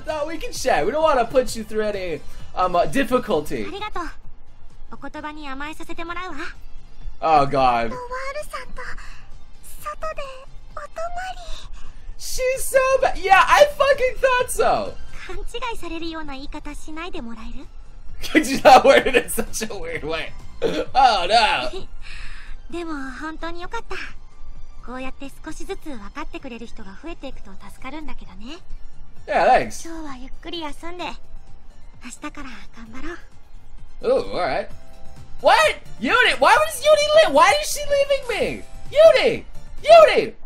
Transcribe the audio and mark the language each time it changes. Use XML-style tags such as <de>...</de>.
<en>We can share. We don't want to put you through any difficulty.</en> <ja>ありがとう。お言葉に甘えさせてもらうわ。</ja> <en>Oh god.</en> <ja>ノワールさんと外でお泊まり。</ja> <en>She's so bad. Yeah, I fucking thought so.</en> <ja>勘違いされるような言い方しないでもらえる?</ja> <en>You're not wearing it in such a weird way. Oh no!</en> <ja>でも本当に良かった。こうやって少しずつ分かってくれる人が増えていくと助かるんだけどね。</ja> <en>Yeah, thanks.</en> <ja>今日はゆっくり休んで、明日から頑張ろ</ja> <en>う。Oh, alright. What? Yuri? Why was Yuri leaving? Why is she leaving me? Yuri! Yuri!</en>